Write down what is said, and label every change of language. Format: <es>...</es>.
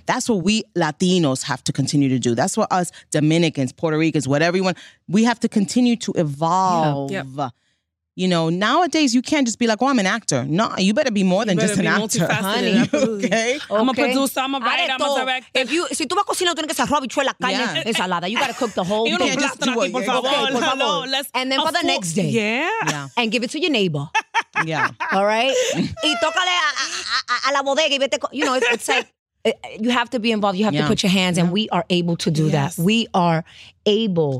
<en>That's what we Latinos have to continue to do. That's what us Dominicans, Puerto Ricans, whatever you want, we have to continue to evolve. Yeah. Yep. You know, nowadays you can't just be like, oh, I'm an actor. No, you better be more than just an actor. Honey, okay? I'm a producer, I'm a writer, I'm a director. If you,</en> <es>si tú vas a cocinar, tienes que hacer habichuela, carne, ensalada.</es> <en>You got to cook the whole thing. You can't just do it.</en> <es>Por favor, por favor.</es> <en>And then for the next day. Yeah. And give it to your neighbor. Yeah. All right?</en> <es>Y tócale a la bodega y vete.</es> <en>You know, it's like, you have to be involved. You have to put your hands. Yeah. And we are able to do that. We are able,</en>